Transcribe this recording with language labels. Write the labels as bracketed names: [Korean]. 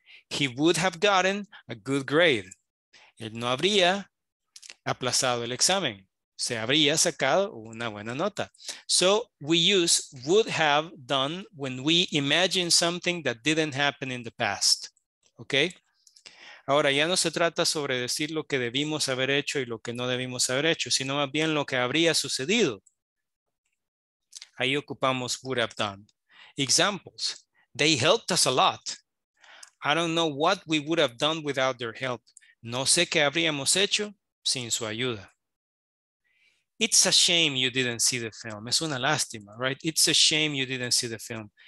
[English] He would have gotten a good grade. [Spanish] Él no habría aplazado el examen. Se habría sacado una buena nota. [English] So we use would have done when we imagine something that didn't happen in the past. Okay? [Spanish] Ahora ya no se trata sobre decir lo que debimos haber hecho y lo que no debimos haber hecho, sino más bien lo que habría sucedido. Ahí ocupamos [English] would have done. Examples. They helped us a lot. I don't know what we would have done without their help. [Spanish] No sé qué habríamos hecho sin su ayuda. [English] It's a shame you didn't see the film. [Spanish] Es una lástima, [English] right? It's a shame you didn't see the film.